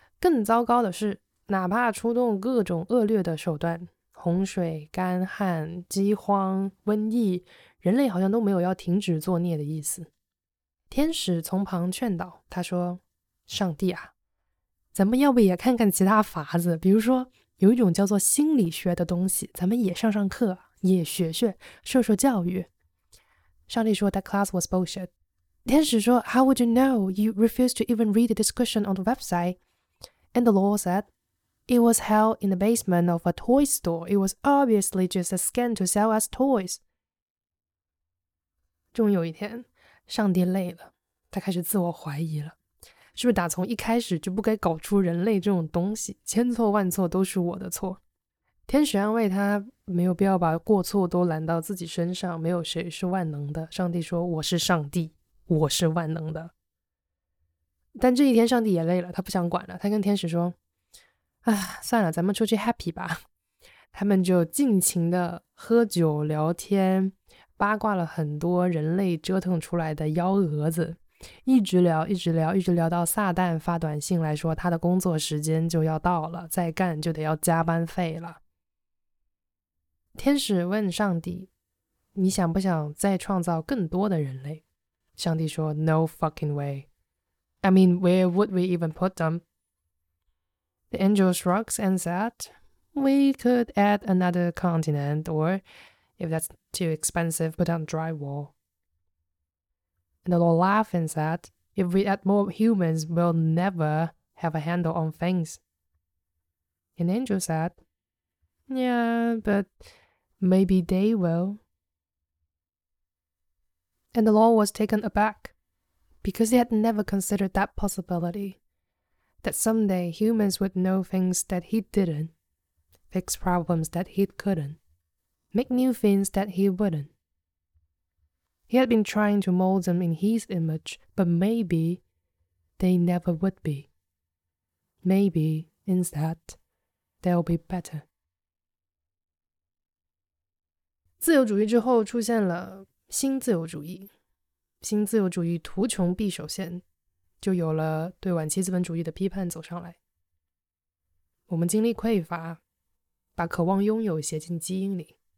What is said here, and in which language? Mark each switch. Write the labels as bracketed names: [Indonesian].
[Chinese] 更糟糕的是，哪怕出动各种恶劣的手段，洪水、干旱、饥荒、瘟疫，人类好像都没有要停止作孽的意思。天使从旁劝导，他说：上帝啊，咱们要不也看看其他法子，比如说有一种叫做心理学的东西，咱们也上上课，也学学，受受教育。上帝说 [English] That class was bullshit. [Chinese] 天使说 [English] How would you know? You refused to even read the description on the website. And the Lord said, It was held in the basement of a toy store. It was obviously just a scam to sell us toys. [Chinese] 终于有一天，上帝累了，他开始自我怀疑了。是不是打从一开始就不该搞出人类这种东西，千错万错都是我的错。天使安慰他，没有必要把过错都揽到自己身上，没有谁是万能的。上帝说，我是上帝，我是万能的。但这一天上帝也累了，他不想管了，他跟天使说，啊，算了，咱们出去 happy 吧。他们就尽情的喝酒聊天，八卦了很多人类折腾出来的幺蛾子，一直聊一直聊一直聊到撒旦发短信来说他的工作时间就要到了，再干就得要加班费了。天使问上帝，你想不想再创造更多的人类？上帝说 [English] No fucking way. I mean, where would we even put them? The angel shrugs and said, We could add another continent or if that's too expensive, put on drywall. And the Lord laughed and said, If we add more humans, we'll never have a handle on things. And Angel said, Yeah, but maybe they will. And the Lord was taken aback, because he had never considered that possibility, that someday humans would know things that he didn't, fix problems that he couldn't, make new things that he wouldn't. He had been trying to mold them in his image, but maybe they never would be. Maybe, instead, they'll be better. [Chinese] 自由主义之后出现了新自由主义。新自由主义图穷匕首现，就有了对晚期资本主义的批判走上来。我们经历匮乏，把渴望拥有写进基因里。